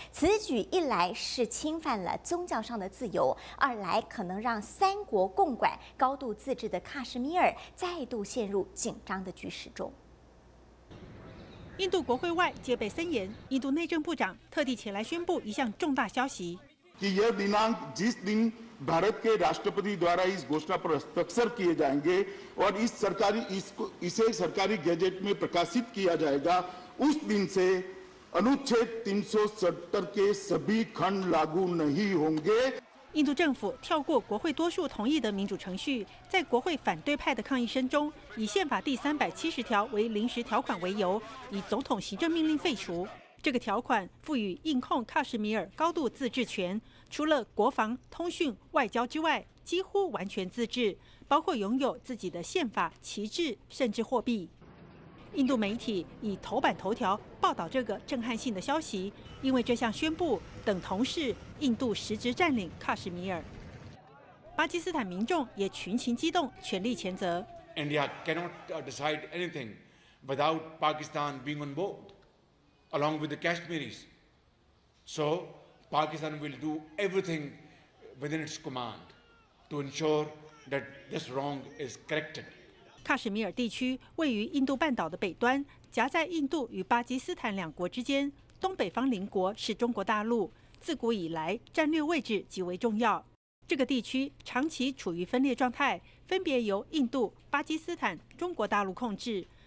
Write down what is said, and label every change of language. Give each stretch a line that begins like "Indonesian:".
Chinese: 此举一来是侵犯了宗教上的自由，二来可能让三国共管、高度自治的喀什米尔再度陷入紧张的局势中。印度国会外戒备森严，印度内政部长特地前来宣布一项重大消息。
Hindi: भारत के राष्ट्रपति द्वारा इस घोषणा पर हस्ताक्षर किए जाएंगे और इस सरकारी इसे सरकारी गैजेट में प्रकाशित किया जाएगा उस दिन से अनुच्छेद 370 के सभी खंड लागू नहीं होंगे।
Chinese: 印度政府跳过国会多数同意的民主程序，在国会反对派的抗议声中，以宪法第370条为临时条款为由，以总统行政命令废除。这个条款赋予印控喀什米尔高度自治权，除了国防、通讯、外交之外，几乎完全自治，包括拥有自己的宪法、旗帜，甚至货币。印度媒体以头版头条报道这个震撼性的消息，因为这项宣布等同是印度实质占领喀什米尔。巴基斯坦民众也群情激动，全力谴责。
English: India cannot decide anything without Pakistan being on board. Along with the Kashmiris, so Pakistan will do everything within its command to ensure that this wrong is corrected.
Chinese: 喀什米尔地区位于印度半岛的北端，夹在印度与巴基斯坦两国之间，东北方邻国是中国大陆，自古以来战略位置极为重要。这个地区长期处于分裂状态，分别由印度、巴基斯坦、中国大陆控制。